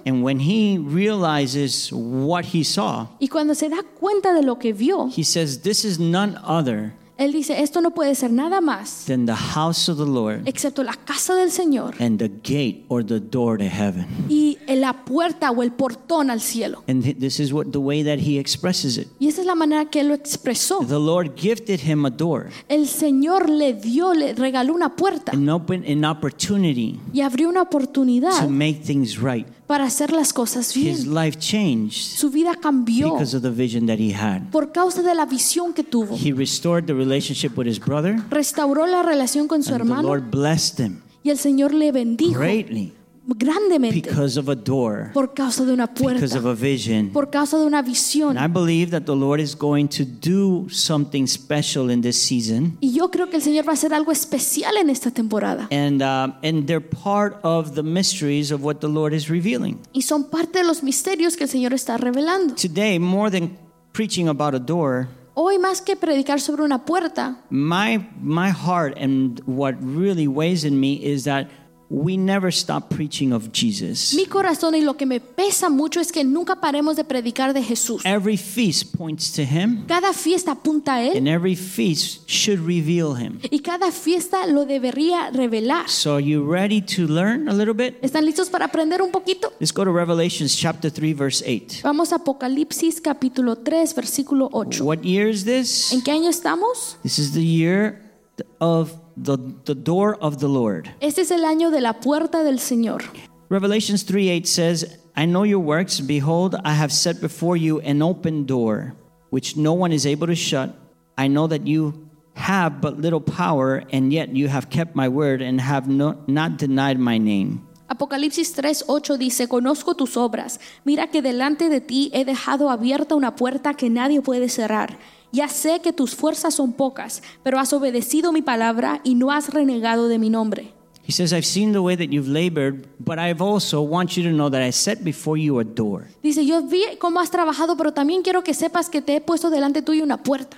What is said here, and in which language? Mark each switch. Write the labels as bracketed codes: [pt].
[en] And when he realizes what he saw. [es] Y cuando se da cuenta de lo que vio. [en] He says, "This is none other." [es] Él dice, esto no puede ser nada más. [en] Than the house of the Lord. [es] Excepto la casa del Señor. [en] And the gate or the door to heaven. [es] Y la puerta o el portón al cielo. [en] And this is what the way that he expresses it. [es] Y esa es la manera que él lo expresó. [en] The Lord gifted him a door. [es] El Señor le regaló una puerta. [en] And opened an opportunity. [es] Y abrió una oportunidad. [en] To make things right. [es] Para hacer las cosas bien. [en] His life changed. [es] Su vida cambió. [en] Because of the vision that he had. [es] Por causa de la visión que tuvo. [en] He restored the relationship with his brother. [es] Restauró la relación con su hermano. [en] And the Lord blessed him. [es] Y el Señor le bendijo. [en] Greatly. [es] Grandemente. [en] Because of a door. [es] Por causa de una puerta. [en] Because of a vision. [es] Por causa de una visión. [en] And I believe that the Lord is going to do something special in this season. [es] Y yo creo que el Señor va a hacer algo especial en esta temporada. [en] And they're part of the mysteries of what the Lord is revealing. [es] Y son parte de los misterios que el Señor está revelando. [en] Today, more than preaching about a door. [es] Hoy más que predicar sobre una puerta. [en] My heart and what really weighs in me is that we never stop preaching of Jesus. [es] Mi corazón y lo que me pesa mucho es que nunca paremos de predicar de Jesús. [en] Every feast points to him. [es] Cada fiesta apunta a él. [en] And every feast should reveal him. [es] Y cada fiesta lo debería revelar. [en] So are you ready to learn a little bit? [es] ¿Están listos para aprender un poquito? [en] Let's go to Revelation chapter 3 verse 8. [es] Vamos a Apocalipsis capítulo 3 versículo 8. [en] What year is this? [es] ¿En qué año estamos? [en] This is the year of the door of the Lord. [es] Este es el año de la puerta del Señor. [en] Revelation 3:8 says, "I know your works. Behold, I have set before you an open door, which no one is able to shut. I know that you have but little power, and yet you have kept my word and have not denied my name." [es] Apocalipsis 3:8 dice, "Conozco tus obras. Mira que delante de ti he dejado abierta una puerta que nadie puede cerrar. Ya sé que tus fuerzas son pocas, pero has obedecido mi palabra y no has renegado de mi nombre." [en] He says, I've seen the way that you've labored, but I also want you to know that I set before you a door. [es] Dice, yo vi cómo has trabajado, pero también quiero que sepas que te he puesto delante tuyo una puerta.